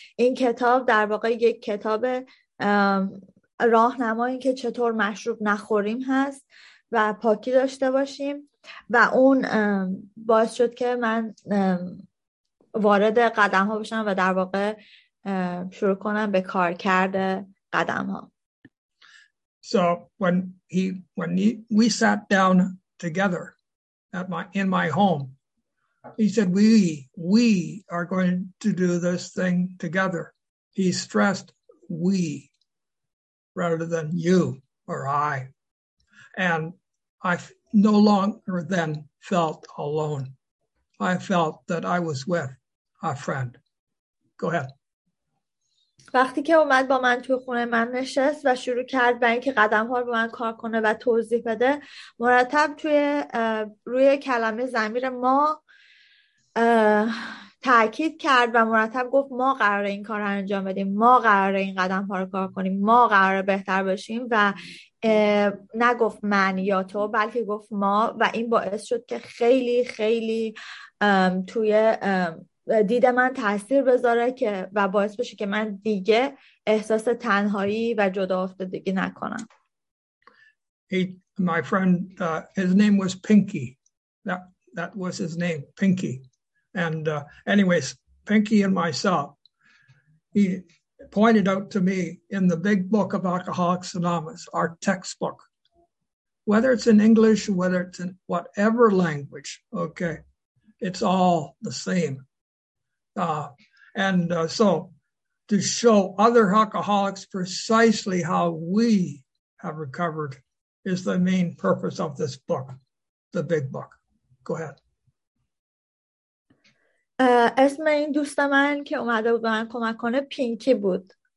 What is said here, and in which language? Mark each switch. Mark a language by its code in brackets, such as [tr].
[fa] این کتاب در واقع یک کتاب راهنمایی که چطور مشروب نخوریم هست و پاکی داشته باشیم، و اون باعث شد که من وارد قدم ها بشم و در واقع شروع کنم به کار کرده قدم ها. [en] So when we sat down together in my home, he said we are going to do this thing together. He stressed we rather than you or I, and I no longer then felt alone. I felt that I was with a friend. Go ahead. [fa] وقتی که اومد با من توی خونه من نشست و شروع کرد به اینکه قدم‌ها رو با من کار کنه و توضیح بده، مرتب توی روی کلمه ضمیر ما تأکید کرد و مرتب گفت ما قراره این کار رو انجام بدیم، ما قراره این قدم‌ها رو کار کنیم، ما قراره بهتر بشیم، و نگفت من یا تو بلکه گفت ما. و این باعث شد که خیلی خیلی توی دید من تاثیر بذاره که و باعث بشه که من دیگه احساس تنهایی و جدا افتادگی نکنم. [en] my friend, his name was Pinky. That was his name, Pinky. And anyways, Pinky and myself, he pointed out to me in the big book of Alcoholics Anonymous, our textbook, whether it's in English, whether it's in whatever language, okay, it's all the same. So to show other alcoholics precisely how we have recovered is the main purpose of this book, the big book. Go ahead. [fa] اسم این دوست من که اومده بود به من کمک کنه پینکی بود.